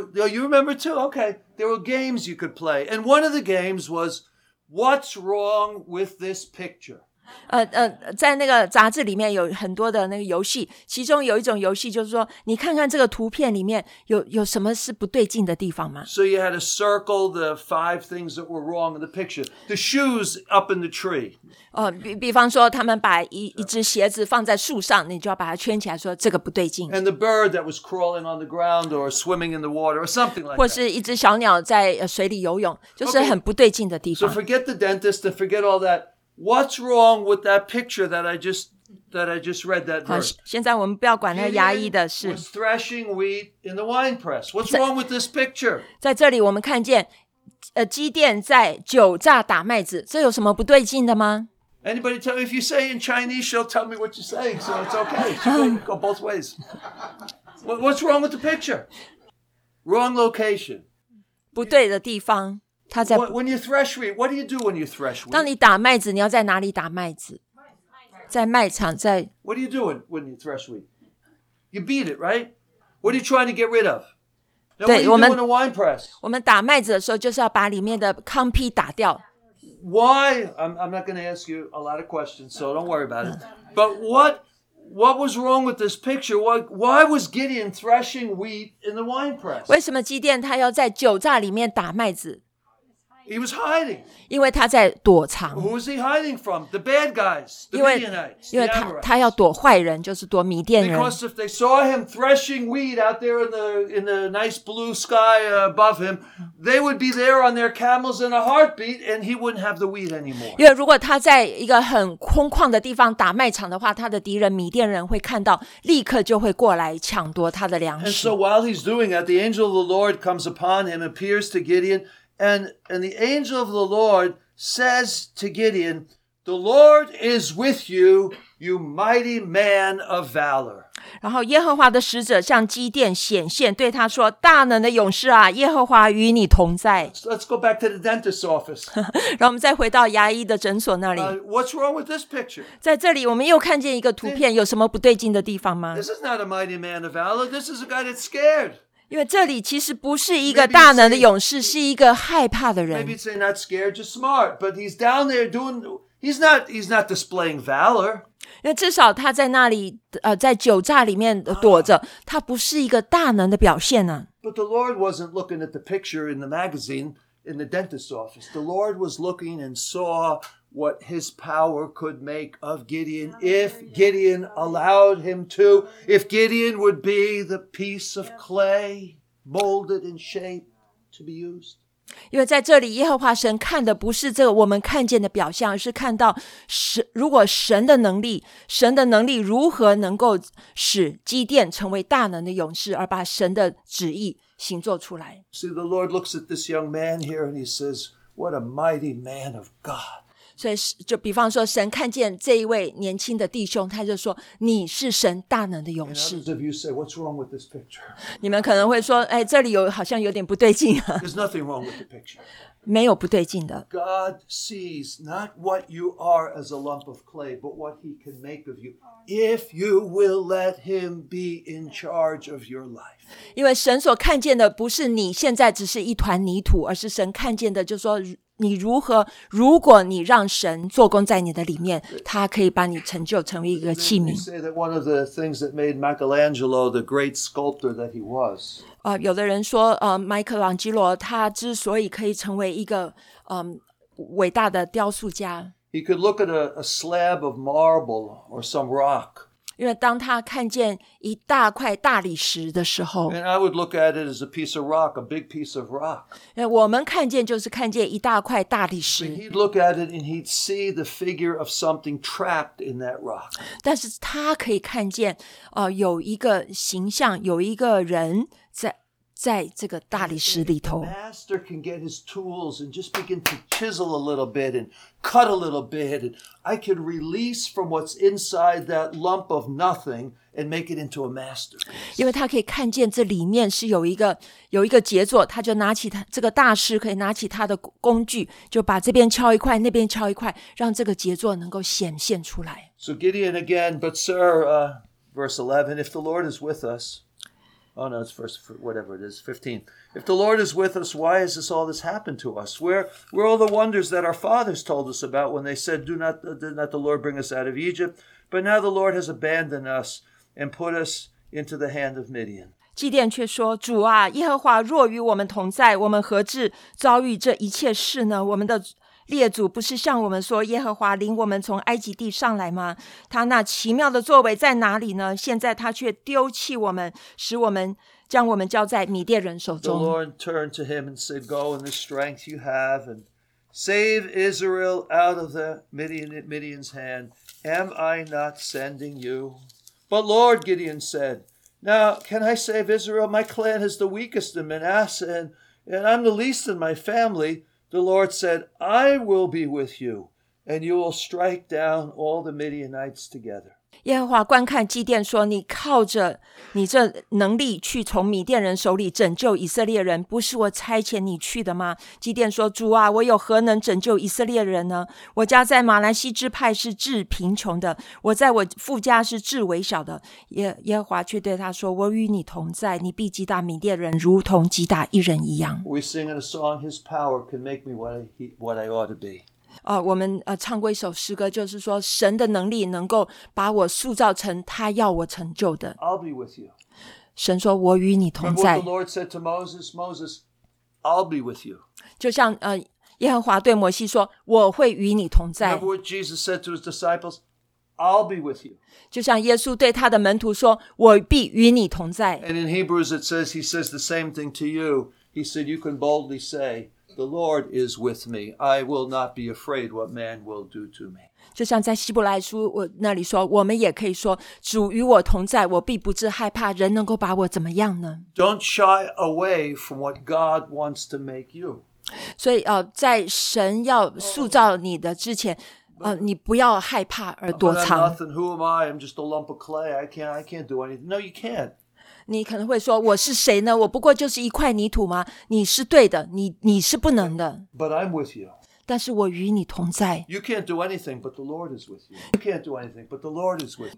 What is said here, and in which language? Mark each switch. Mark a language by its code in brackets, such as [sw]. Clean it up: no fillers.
[en] You remember too? Okay. There were games you could play. And one of the games was, what's wrong with this picture? [zh] 在那个杂志里面有很多的那个游戏，其中有一种游戏就是说，你看看这个图片里面有什么是不对劲的地方吗？ [en] So you had to circle the five things that were wrong in the picture. The shoes up in the tree. [zh] 比方说他们把一只鞋子放在树上，你就要把它圈起来说这个不对劲。 [en] And the bird that was crawling on the ground or swimming in the water or something like that. [zh] 或是一只小鸟在水里游泳，就是很不对劲的地方。 [en] Okay. So forget the dentist and forget all that. What's wrong with that picture that I just read that verse? [zh] 现在我们不要管那牙医的事。 [en] Was threshing wheat in the wine press. What's wrong with this picture? [zh] 在这里我们看见基甸在酒榨打麦子，这有什么不对劲的吗？ [en] Anybody tell me if you say in Chinese, she'll tell me what you're saying, so it's okay. It's okay. Go both ways. What's wrong with the picture? Wrong location. [zh] 不对的地方。他在。 [en] When you thresh wheat, what do you do when you thresh wheat? [zh] 当你打麦子，你要在哪里打麦子？在麦场，在。 [en] What do you do when you thresh wheat? You beat it, right? What are you trying to get rid of? Now, [zh] 对，我们。 [en] What are you doing in a wine press? [zh] 我们打麦子的时候，就是要把里面的糠皮打掉。 [en] Why? I'm not going to ask you a lot of questions, so don't worry about it. But what was wrong with this picture? Why was Gideon threshing wheat in the wine press? [zh] 为什么基甸他要在酒榨里面打麦子？ [en] He was hiding. [zh] 因为他在躲藏。 [en] Who was he hiding from? The bad guys, the Midianites, the Amorites. [zh] 因为他要躲坏人，就是躲米甸人。 [en] Because if they saw him threshing wheat out there in the nice blue sky above him, they would be there on their camels in a heartbeat, and he wouldn't have the wheat anymore. [zh] 因为如果他在一个很空旷的地方打麦场的话，他的敌人米甸人会看到，立刻就会过来抢夺他的粮食。 [en] And so while he's doing that, the angel of the Lord comes upon him, appears to Gideon. And the angel of the Lord says to Gideon, "The Lord is with you, you mighty man of valor." [zh] 然后耶和华的使者向基甸显现，对他说：“大能的勇士啊，耶和华与你同在。” [en] Let's go back to the dentist's office. [zh] 让我们再回到牙医的诊所那里。 [en] What's wrong with this picture? [zh] 在这里，我们又看见一个图片，有什么不对劲的地方吗？ [en] This is not a mighty man of valor. This is a guy that's scared. [zh] 因为这里其实不是一个大能的勇士，是一个害怕的人。 [en] Maybe it's not scared, just smart. But he's down there doing. He's not displaying valor. [zh] 因为至少他在那里，在酒榨里面躲着，他不是一个大能的表现呢。 [en] But the Lord wasn't looking at the picture in the magazine in the dentist's office. The Lord was looking and saw what his power could make of Gideon if Gideon allowed him to, if Gideon would be the piece of clay molded in shape to be used. [zh] 因为在这里耶和华神看的不是这个我们看见的表象，而是看到如果神的能力如何能够使基甸成为大能的勇士，而把神的旨意行作出来。 [en] See, the Lord looks at this young man here and he says, what a mighty man of God. [zh] 所以就比方说神看见这一位年轻的弟兄，他就说你是神大能的勇士。 [en] And others of you say, what's wrong with this picture? [zh] 你们可能会说，哎，这里有好像有点不对劲啊。 [en] There's nothing wrong with the picture. [zh] 没有不对劲的。 [en] God sees not what you are as a lump of clay, but what he can make of you if you will let him be in charge of your life. [zh] 因为神所看见的不是你现在只是一团泥土，而是神看见的就是说你如何，如果你让神做工在你的里面，他可以把你成就成为一个器皿。 [en] They say that one of the things that made Michelangelo the great sculptor that he was, [zh] 有的人说麦克朗基罗他之所以可以成为一个伟大的雕塑家， [en] He could look at a slab of marble or some rock. [zh] 因为当他看见一大块大理石的时候， [en] And I would look at it as a piece of rock, a big piece of rock. [zh] 因为我们看见就是看见一大块大理石。 [en] But he'd look at it and he'd see the figure of something trapped in that rock. [zh] 但是他可以看见有一个形象，有一个人在这个大理石里头。 [en] The master can get his tools and just begin to chisel a little bit and cut a little bit, and I can release from what's inside that lump of nothing and make it into a masterpiece. [zh] 因为他可以看见这里面是有一个杰作，他就拿起他这个大师可以拿起他的工具，就把这边敲一块，那边敲一块，让这个杰作能够显现出来。 [en] So Gideon again, but sir, verse 11, if the Lord is with us,Oh, no, it's first, whatever it is, 15. If the Lord is with us, why has this all this happened to us? Where are all the wonders that our fathers told us about when they said, did not the Lord bring us out of Egypt? But now the Lord has abandoned us and put us into the hand of Midian. [zh] 基甸却说，主啊，耶和华若与我们同在，我们何至遭遇这一切事呢？我们的列祖不是向我们说耶和华领我们从埃及地上来吗？他那奇妙的作为在哪里呢？现在他却丢弃我们，使我们将我们交在米甸人手中。 [en] The Lord turned to him and said, Go in the strength you have and save Israel out of the Midian's hand. Am I not sending you? But Lord, Gideon said, Now can I save Israel? My clan is the weakest in Manasseh, and and I'm the least in my family, the Lord said, I will be with you, and you will strike down all the Midianites together. [zh] 耶和华观看基甸说，你靠着你这能力去从米甸人手里拯救以色列人，不是我差遣你去的吗？基甸说，主啊，我有何能拯救以色列人呢？我家在马拿西支派是至贫穷的，我在我父家是至微小的。耶和华却对他说，我与你同在，你必击打米甸人如同击打一人一样。 [en] We sing in a song, his power can make me what I ought to be. [zh] 我们唱过一首诗歌，就是说神的能力能够把我塑造成他要我成就的。 [en] I'll be with you. [zh] 神说我与你同在。 [en] Remember what the Lord said to Moses, Moses, I'll be with you. [zh] 就像耶和华对摩西说，我会与你同在。 [en] Remember what Jesus said to his disciples, I'll be with you. [zh] 就像耶稣对他的门徒说，我必与你同在。 [en] And in Hebrews it says, he says the same thing to you. He said, you can boldly say,The Lord is with me. I will not be afraid what man will do to me. [zh] 就像在希伯来书我那里说，我们也可以说，主与我同在，我必不致害怕。人能够把我怎么样呢？ [en] Don't shy away from what God wants to make you. [zh] 所以在神要塑造你的之前，你不要害怕而躲藏。 [en] But I'm nothing. Who am I? I'm just a lump of clay. I can't do anything. No, you can't. [zh] 你可能会说，我是谁呢？我不过就是一块泥土吗？你是对的，你是不能的。 [en] But I'm with you. [zh] 但是我与你同在。 [en] You can't do anything, but the Lord is with you. You can't do anything, but the Lord is with you.